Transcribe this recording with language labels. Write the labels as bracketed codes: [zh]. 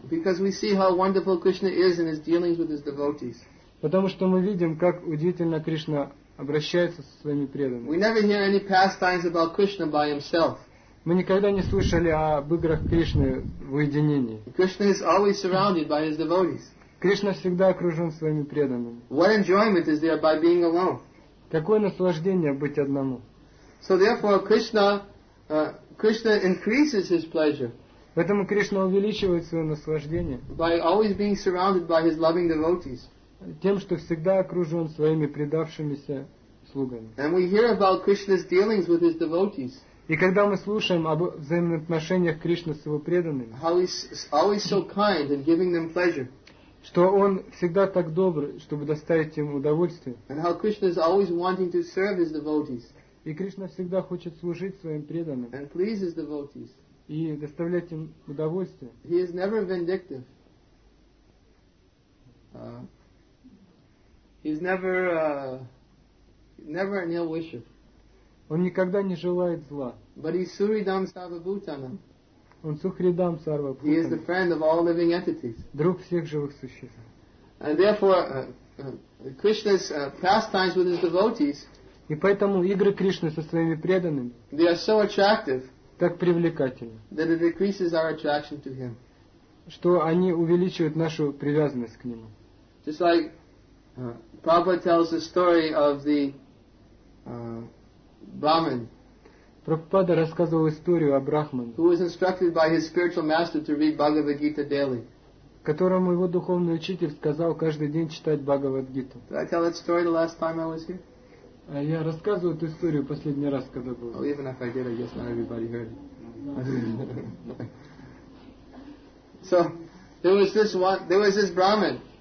[en] Because we see how wonderful Krishna is in his dealings with his devotees. [ru] Потому что мы видим, как удивительно Кришна обращается со своими преданными. [en] We never hear any pastimes about Krishna by himself. [ru] Мы никогда не слышали об играх Кришны в уединении. [en] Krishna is always surrounded by his devotees. [ru] Кришна всегда окружен своими преданными. [en] What enjoyment is there by being alone? [ru] Какое наслаждение быть одному? [en] So therefore, Krishna increases his pleasure. [ru] Поэтому Кришна увеличивает свое наслаждение. [en] By always being surrounded by his loving devotees. [ru] Тем, что всегда окружен своими предавшимися слугами. [en] And we hear about Krishna's dealings with his devotees. [ru] И когда мы слушаем об взаимоотношениях Кришны с его преданными. [en] How he's always so kind in giving them pleasure. [ru] Что он всегда так добр, чтобы доставить им удовольствие. [en] And how Krishna is always wanting to serve his devotees. [ru] И Кришна всегда хочет служить своим преданным. [en] And please his devotees. [ru] И доставлять им удовольствие. [en] He is never vindictive. He's never an ill wisher. [ru] Он никогда не желает зла. [en] But he's [sa] Suridam Sarvabhutanam. [ru] Он [sa] Сухридам Сарвабхутанам. [en] He is the friend of all living entities. [ru] Друг всех живых существ. [en] And therefore, Krishna's pastimes with his devotees. [ru] И поэтому игры Кришны со своими преданными. [en] They are so attractive. [ru] Так привлекательны. [en] That it increases our attraction to him. [ru] Что они увеличивают нашу привязанность к нему. [en] Just like Prabhupada tells the story of the Brahman. [ru] Прабхупада рассказывал историю о Брахмане. [en] Who was instructed by his spiritual master to read Bhagavad Gita daily. [ru] Которому его духовный учитель сказал каждый день читать Бхагавад Гиту. [en] Did I tell that story the last time I was here? [ru] Я рассказывал эту историю последний раз, когда был. [en] Well, even if I did, I guess not everybody heard it. So there was this Brahman.